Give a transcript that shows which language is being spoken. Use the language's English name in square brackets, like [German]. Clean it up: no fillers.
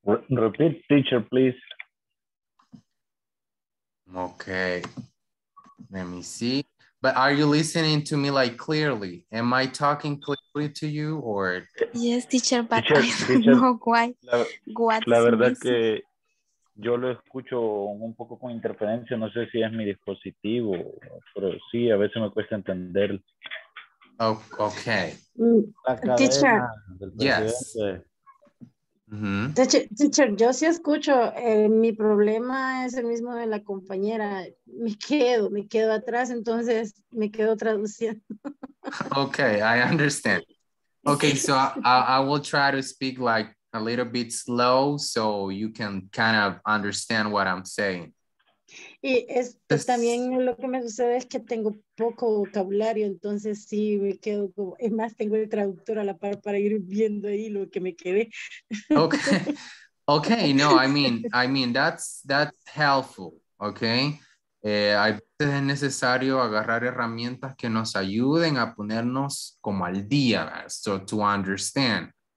[English] Repeat, teacher, please. Okay. Let me see. But are you listening to me like clearly? Am I talking clearly to you or? Yes, teacher, but teacher, I don't know why. [Spanish] La verdad que yo lo escucho un poco con interferencia. No sé si es mi dispositivo, pero sí, a veces me cuesta entender. [English] Oh, okay. Teacher. Yes. Mm-hmm. [Spanish] Teacher, yo sí escucho, mi problema es el mismo de la compañera, me quedo atrás, entonces me quedo traduciendo. [English] Okay, I understand. Okay, so I will try to speak like a little bit slow so you can kind of understand what I'm saying. [Spanish] Y es, también lo que me sucede es que tengo poco vocabulario, entonces sí me quedo como, es más, tengo el traductor a la par para ir viendo ahí lo que me quedé. [English] Okay, okay, no, I mean that's helpful, okay? [Spanish] A veces es necesario agarrar herramientas que nos ayuden a ponernos como al día, [English] so to understand.